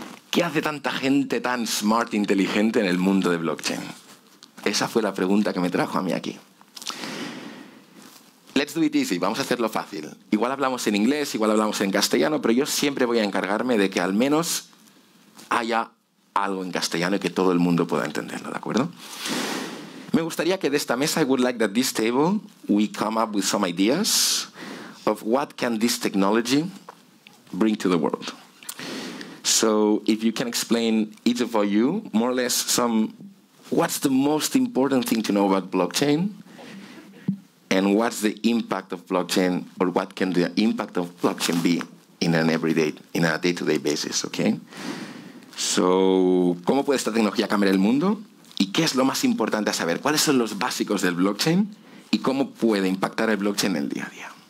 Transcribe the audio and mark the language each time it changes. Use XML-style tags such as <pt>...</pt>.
<es>¿Qué hace tanta gente tan smart e inteligente en el mundo de blockchain? Esa fue la pregunta que me trajo a mí aquí.</es> <en>Let's do it easy,</en> <es>vamos a hacerlo fácil. Igual hablamos en inglés, igual hablamos en castellano, pero yo siempre voy a encargarme de que al menos haya algo en castellano y que todo el mundo pueda entenderlo, ¿de acuerdo? Me gustaría que de esta mesa,</es> <en>I would like that this table, we come up with some ideas of what can this technology bring to the world. So if you can explain each of you, more or less, some what's the most important thing to know about blockchain and what's the impact of blockchain or what can the impact of blockchain be in an everyday, in a day-to-day basis, okay?</en> <es>So, ¿cómo puede esta tecnología cambiar el mundo? ¿Y qué es lo más importante a saber? ¿Cuáles son los básicos del blockchain? ¿Y cómo puede impactar el blockchain en el día a día?</es>